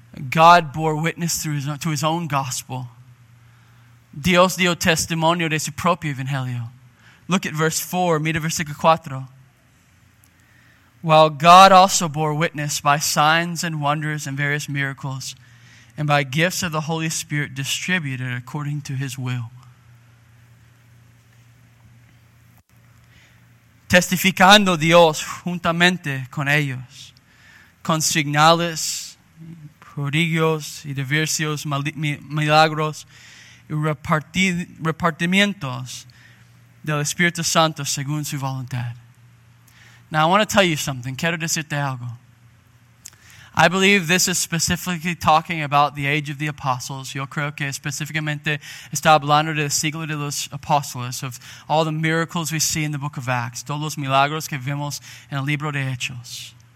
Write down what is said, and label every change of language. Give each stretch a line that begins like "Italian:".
English: God bore witness through to his own gospel.
Spanish: Dios dio testimonio de su propio evangelio.
English: Look at verse 4,
Spanish: mira versículo 4.
English: While God also bore witness by signs and wonders and various miracles, and by gifts of the Holy Spirit distributed according to his will.
Spanish: Testificando Dios juntamente con ellos, con señales, prodigios y diversos milagros y repartimientos del Espíritu Santo según su voluntad.
English: Now I want to tell you something.
Spanish: Quiero decirte algo.
English: I believe this is specifically talking about the age of the apostles.
Spanish: Yo creo que específicamente está hablando del siglo de los apóstoles,
English: of all the miracles we see in the book of Acts,
Spanish: todos los milagros que vemos en el libro de Hechos.